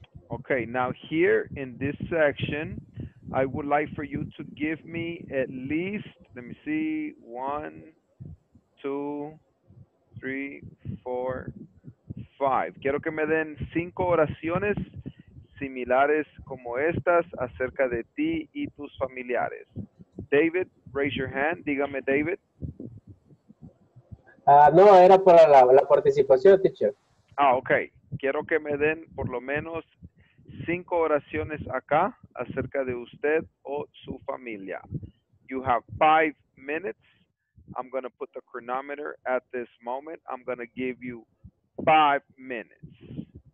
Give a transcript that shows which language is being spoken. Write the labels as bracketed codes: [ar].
[en] Okay, now here in this section, I would like for you to give me at least, let me see, 1, 2, 3, 4, 5. [es] Quiero que me den 5 oraciones similares como estas acerca de ti y tus familiares. [en] David, raise your hand. [es] Dígame, [en] David. [es] No, era para la participación, [en] teacher. Ah, okay. [es] Quiero que me den por lo menos 5 oraciones acá acerca de usted o su familia. [en] You have 5 minutes. I'm going to put the chronometer at this moment. I'm going to give you 5 minutes.